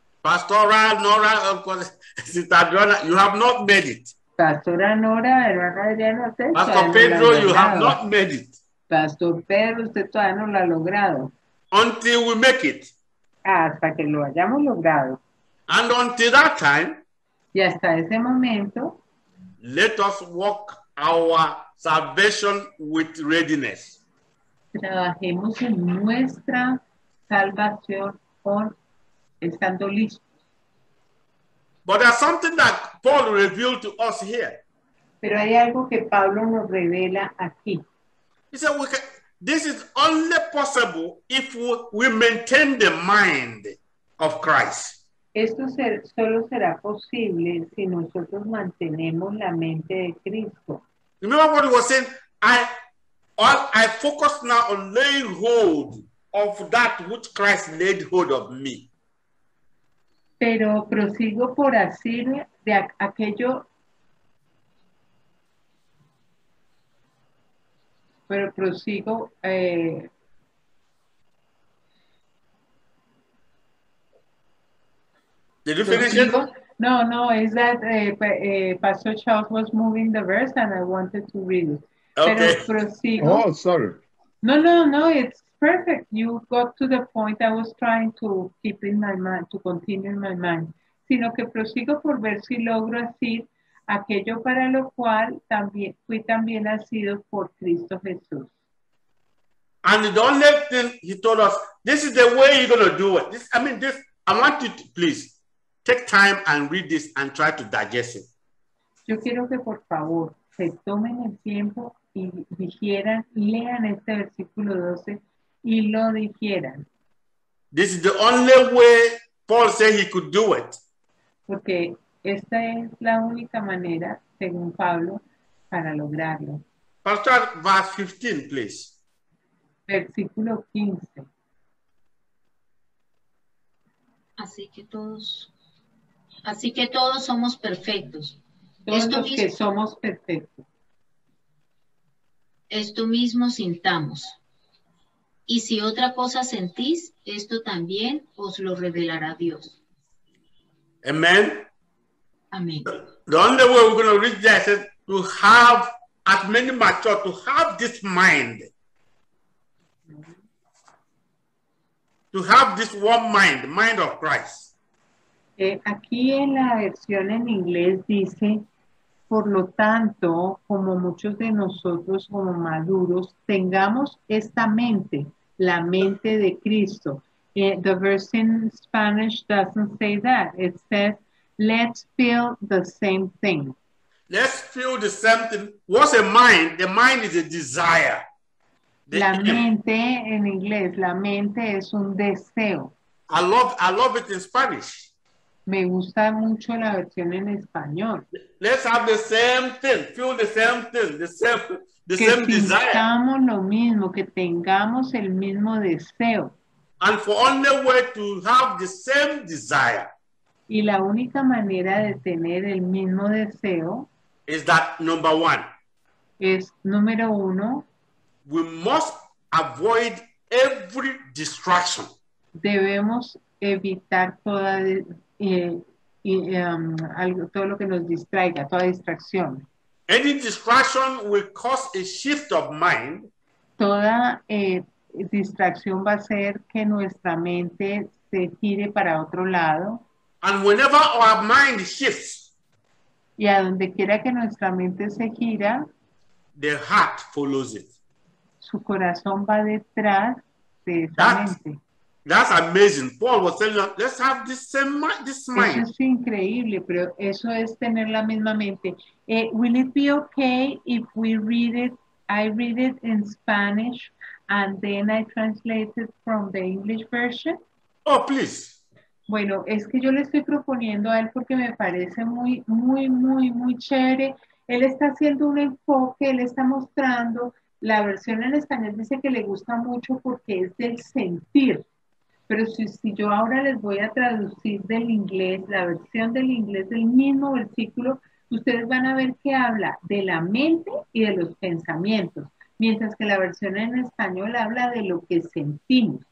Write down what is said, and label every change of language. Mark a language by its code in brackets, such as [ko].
[en] Pastora Nora, Uncle Sita Adriana, you have not made it. [es] Pastora Nora, hermana Adriana, usted Pastor Pedro, lo ha [en] you have not made it. [es] Pastor Pedro, usted todavía no lo ha logrado. [en] Until we make it. [es] Hasta que lo hayamos logrado. [en] And until that time. [es] Y hasta ese momento. [en] Let us walk our salvation with readiness. [es] Trabajemos en nuestra salvación con estando listos. [en] But there's something that Paul revealed to us here. [es] Pero hay algo que Pablo nos revela aquí. [en] He said, this is only possible if we maintain the mind of Christ. [es] Esto solo será posible si nosotros mantenemos la mente de Cristo. [en] Remember what he was saying? I focus now on laying hold of that which Christ laid hold of me. [es] Pero prosigo por hacer de aquello. Pero prosigo. [en] Did you finish it? No, is that Pastor Charles was moving the verse and I wanted to read it. Okay. [es] Prosigo. [en] Oh, sorry. No, it's perfect. You got to the point I was trying to keep in my mind, to continue in my mind. [es] Sino que prosigo por ver si logro hacer aquello para lo cual también fui también nacido por Cristo Jesús. [en] And the only thing he told us, this This is the way you're going to do it. I want you to please take time and read this and try to digest it. [es] Yo quiero que por favor se tomen el tiempo y digieran, lean este versículo 12 y lo digieran. [en] This is the only way Paul said he could do it. [es] Porque esta es la única manera, según Pablo, para lograrlo. [en] Pastor, verse 15, please. [es] Versículo 15. Así que todos somos perfectos. Esto mismo sintamos. Y si otra cosa sentís, esto también os lo revelará Dios. Amen. Amen. [en] The only way we're going to reach that is to have, as many mature, to have this mind. To have this one mind, the mind of Christ. [es] Aquí en la versión en inglés dice, por lo tanto, como muchos de nosotros como maduros, tengamos esta mente, la mente de Cristo. [en] The verse in Spanish doesn't say that. It says, let's feel the same thing. Let's feel the same thing. What's a mind? The mind is a desire. [es] La mente en inglés, la mente es un deseo. [en] I love it in Spanish. [es] Me gusta mucho la versión en español. [en] Let's have the same thing, feel the same thing, the same desire. [es] Que sintamos lo mismo, que tengamos el mismo deseo. [en] And for only way to have the same desire. [es] Y la única manera de tener el mismo deseo [en] is that number one. [es] Es número uno. [en] We must avoid every distraction. [es] Debemos evitar toda algo, todo lo que nos distraiga, toda distracción. [en] Any distraction will cause a shift of mind. [es] Toda distracción va a hacer que nuestra mente se gire para otro lado. [en] And whenever our mind shifts, [es] y a donde quiera que nuestra mente se gira, [en] the heart follows it. [es] Su corazón va detrás de esa mente. [en] That's amazing. Paul was telling us, let's have this mind. [es] Eso es increíble, pero eso es tener la misma mente. [en] Will it be okay if we read it? I read it in Spanish and then I translate it from the English version. Oh, please. [es] Bueno, es que yo le estoy proponiendo a él porque me parece muy, muy, muy, muy chévere. Él está haciendo un enfoque, él está mostrando. La versión en español dice que le gusta mucho porque es del sentir. Pero si yo ahora les voy a traducir del inglés, la versión del inglés del mismo versículo, ustedes van a ver que habla de la mente y de los pensamientos, mientras que la versión en español habla de lo que sentimos.